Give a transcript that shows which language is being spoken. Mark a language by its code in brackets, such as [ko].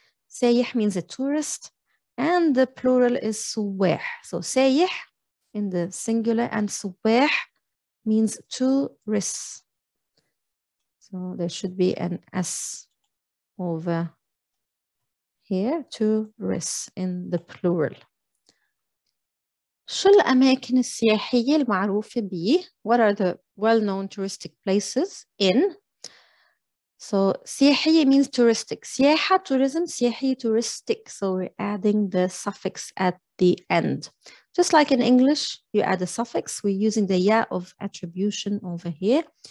[en] Sayih means a tourist, and the plural is suwah. So sayih in the singular and suwah means tourists. So there should be an S over here, tourists in the plural. [ar] شو الأماكن السياحية المعروفة بي? [en] What are the well-known touristic places in? So سياحية means touristic. سياحة, tourism, سياحية, touristic. So we're adding the suffix at the end. Just like in English, you add a suffix. We're using the ya of attribution over here.